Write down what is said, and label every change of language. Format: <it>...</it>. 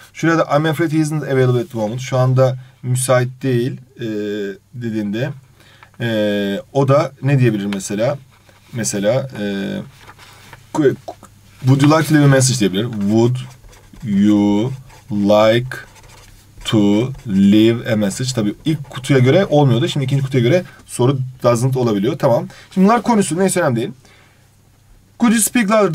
<tr>Şuraya da</tr> <en>I'm afraid he isn't available at the moment.</en> <tr>Şu anda müsait değil dediğinde o da ne diyebilir mesela? Mesela</tr> <en>would you like to leave a message</en> <tr>diyebilir.</tr> <en>Would you like to leave a message?</en> <tr>Tabii ilk kutuya göre olmuyordu. Şimdi ikinci kutuya göre soru doesn't olabiliyor. Tamam. Şimdi bunlar konuşsun. Neyse önemli değil.</tr> <en>Could you speak louder?</en>